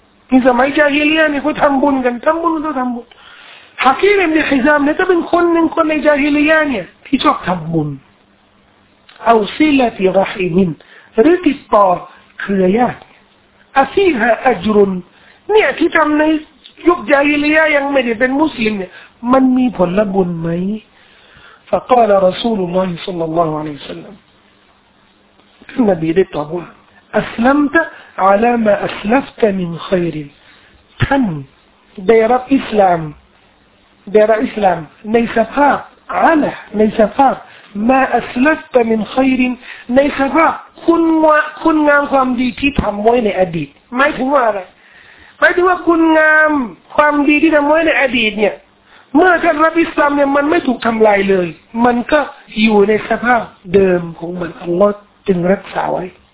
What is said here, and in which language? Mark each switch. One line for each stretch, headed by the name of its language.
Thai: มีสมัยจาฮิเลียเนี่ยเขาทำบุญกันทำบุญฮากีรมีฮิซามเนี่ยก็เป็นคนหนึ่งคนในจาฮิเลียเนี่ยที่ชอบทำบุญเอาซีลาติรอฮีมินหรือติดต่อเครือญาติอาซีฮะอัจรุนเนี่ยที่ทำในยุคจาฮิเลียยังไม่ได้เป็นมุสลิมเนี่ยมันมีผลบุญไหม
Arabic: فقال رسول الله صلى الله عليه وسلم
Thai: ท่านนบีได้ตอบว่า
Arabic: أسلمت على ما أسلفت من خير.
Thai: ท่านได้รับอิสลามได้รับอิสลามในสภาพอะลาในสภาพมาอัสลัฟตะมินค็อยรในสภาพคุณว่าคุณงามความดีที่ทําไว้ในอดีตหมายถึงว่าอะไรหมายถึงว่าคุณงามความดีที่ทําไว้ในอดีตเนี่ยเมื่อท่านรับอิสลามเนี่ยมันไม่ถูกทําลายเลยมันก็อยู่ในสภาพเดิมของมันอัลเลาะห์จึงรักษาไว้